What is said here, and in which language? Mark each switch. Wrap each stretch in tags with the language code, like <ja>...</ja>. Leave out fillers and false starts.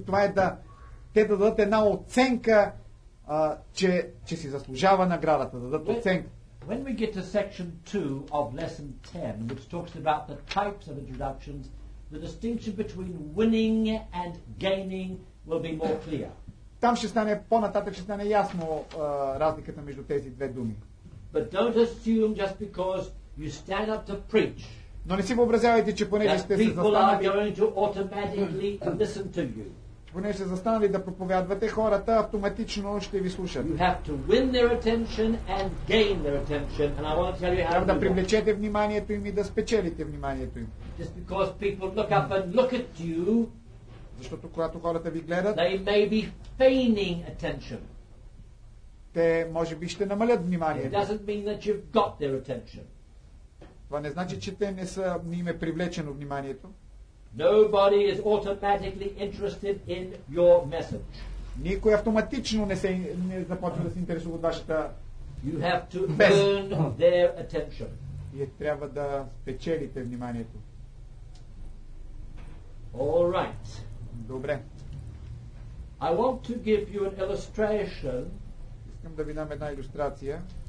<bg>Това е да те да дадат една оценка, че си заслужава наградата, да дадат оценка.</bg> <en>When we get to section 2 of lesson 10, which talks about the types of introductions, the distinction between winning and gaining will be more clear.</en> <bg>Там ще стане по-нататък, ще стане ясно разликата между тези две думи.</bg> <en>But don't assume just because you stand up to preach.</en> <bg>Но не си въобразявайте, че понеже сте се застанали,</bg> <en>people are going to automatically listen to you.</en> <bg>Понеже сте застанали да проповядвате, хората автоматично ще ви слушат.</bg> <en>You have to win their attention and gain their attention, and I want to tell you how.</en> <bg>Трябва да привлечете вниманието им и да спечелите вниманието им.</bg> <en>Just because people look up and look at you,</en> <bg>защото когато хората ви гледат,</bg> <en>they may be feigning attention.</en> <bg>Те може би ще намалят вниманието.</bg> <en>It doesn't mean that you've got their attention.</en> <bg>Това не значи, че те не им е привлечено вниманието.</bg> <en>Nobody is automatically interested in your message.</en> <bg>Никой автоматично не започва да се интересува от вашата.</bg> <en>You have to earn their attention.</en> <bg>И трябва да спечелите вниманието.</bg> <en>All right.</en> <bg>Добре.</bg> <en>I want to give you an illustration.</en> <bg>Искам да ви дам една илюстрация.</bg>